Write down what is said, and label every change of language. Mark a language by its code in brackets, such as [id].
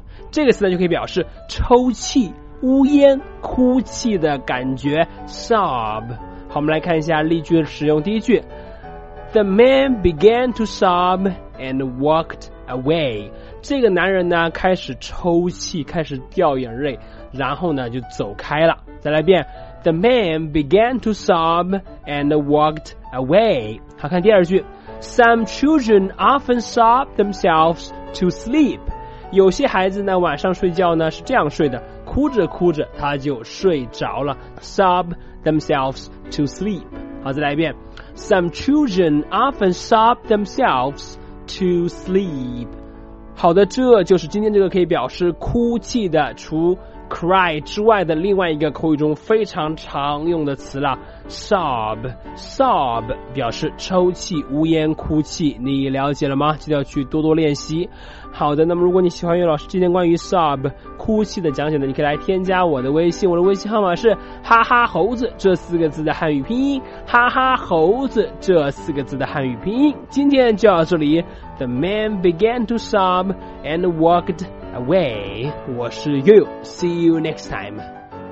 [zh] 这个词呢就可以表示抽泣、呜咽、哭泣的感觉 sob。好，我们来看一下例句的使用。第一句。 [en] The man began to sob and walked away. [zh] 这个男人呢开始抽泣，开始掉眼泪，然后呢就走开了。再来一遍。 [en] The man began to sob and walked away. [zh] 好，看第二句。 [en] Some children often sob themselves to sleep. [zh] 有些孩子呢晚上睡觉呢是这样睡的，哭着哭着他就睡着了。 [en] Sob themselves to sleep. [zh] 好，再来一遍。 [en] Some children often sob themselves to sleep. [zh] 好的，这就是今天这个可以表示哭泣的，除 cry 之外的另外一个口语中非常常用的词了。 Sob 表示抽泣、呜咽、哭泣，你了解了吗？记得要去多多练习。好的，那么如果你喜欢悠悠老师今天关于 sob 哭泣的讲解呢，你可以来添加我的微信，我的微信号码是哈哈猴子这四个字的汉语拼音，哈哈猴子这四个字的汉语拼音。今天就到这里。 [en] The man began to sob and walked away. [zh] 我是悠悠， [en] See you next time.